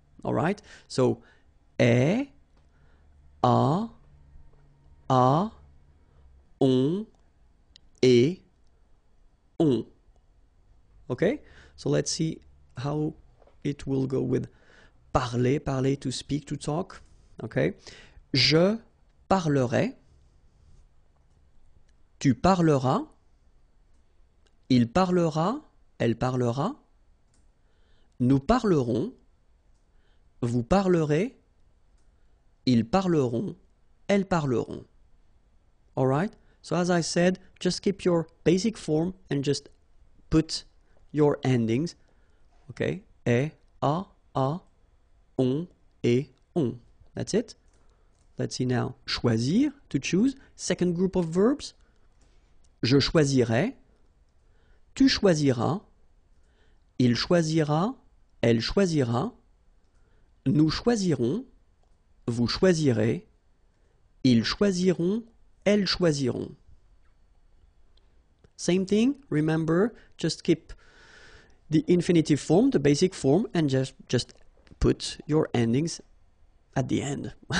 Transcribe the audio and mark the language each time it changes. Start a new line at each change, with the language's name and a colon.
English: Alright? So, E, A, A, on, E, on. Okay? So let's see how it will go with parler, parler, to speak, to talk.
French: Okay? Je parlerai. Tu parleras, il parlera, elle parlera, nous parlerons, vous parlerez, ils parleront, elles parleront.
English: Alright, so as I said, just keep your basic form and just put your endings, okay, e, a, a, on, et, on, that's it. Let's see now, choisir, to choose, second group of verbs.
French: Je choisirai, tu choisiras, il choisira, elle choisira, nous choisirons, vous choisirez, ils choisiront, elles choisiront.
English: Same thing, remember, just keep the infinitive form, the basic form, and just put your endings at the end.